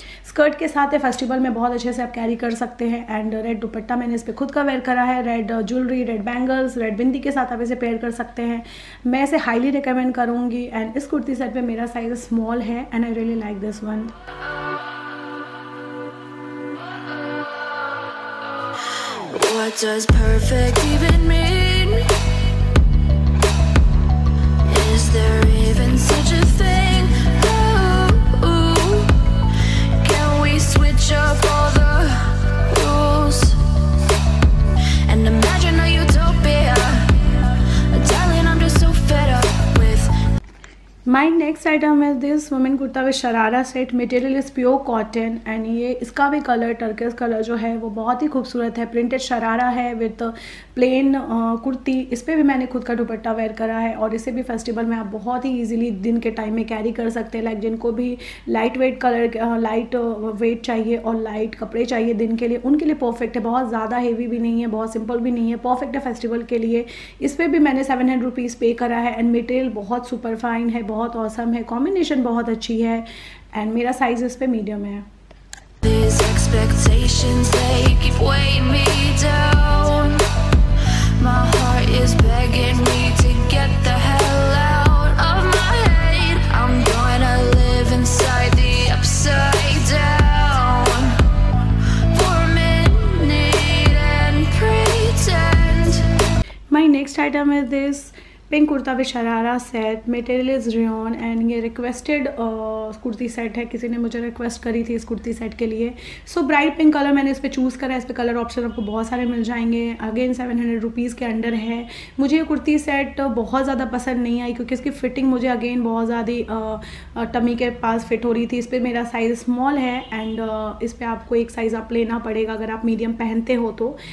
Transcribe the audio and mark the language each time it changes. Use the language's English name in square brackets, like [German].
[Hindi] Skirt के साथ है, फेस्टिवल में बहुत अच्छे से आप कैरी कर सकते हैं. एंड रेड दुपट्टा मैंने इस पर खुद का वेयर करा है, red jewellery, red bangles, red बिंदी के साथ आप इसे पेयर कर सकते हैं. मैं इसे हाईली रिकमेंड करूँगी एंड इस कुर्ती सेट में मेरा साइज स्मॉल है and [English] I really like this one. What does perfect even mean? Is there even such a thing? Ooh, ooh. Can we switch up all the rules and imagine a utopia? Darling, I'm just so fed up. My next item [Hindi] है [English] This women kurta with sharara set. Material is pure cotton [Hindi] and ये इसका भी colour टर्केस colour जो है वो बहुत ही खूबसूरत है. प्रिंटेड शरारा है विद प्लेन कुर्ती. इस पर भी मैंने खुद का दुपट्टा वेयर करा है और इसे भी फेस्टिवल में आप बहुत ही ईजिली दिन के टाइम में कैरी कर सकते हैं. लाइक जिनको भी light weight colour light weight चाहिए और लाइट कपड़े चाहिए दिन के लिए, उनके लिए परफेक्ट है. बहुत ज़्यादा हेवी भी नहीं है, बहुत सिंपल भी नहीं है, परफेक्ट है फेस्टिवल के लिए. इस पर भी मैंने 700 रुपीज़ पे करा है एंड मटेरियल बहुत सुपर फाइन है, बहुत ऑसम है, कॉम्बिनेशन बहुत अच्छी है एंड मेरा साइज इस पे मीडियम है. [English] These expectations, they keep weighing me down. My heart is begging me to get the hell out of my head. I'm gonna live inside the upside down. For a minute and pretend. My next item is this pink kurta with sharara set, material is rayon [Hindi] and ये requested kurti set है, किसी ने मुझे request करी थी इस kurti set के लिए. सो ब्राइट पिंक कलर मैंने इस पर चूज़ करा है. इस पर कलर ऑप्शन आपको बहुत सारे मिल जाएंगे. अगेन 700 रुपीज़ के अंडर है. मुझे ये कुर्ती सेट बहुत ज़्यादा पसंद नहीं आई क्योंकि इसकी फिटिंग मुझे अगेन बहुत ज़्यादा टमी के पास फिट हो रही थी. इस पर मेरा साइज़ स्मॉल है एंड इस पर आपको एक साइज़ आप लेना पड़ेगा अगर आप मीडियम पहनते हो तो.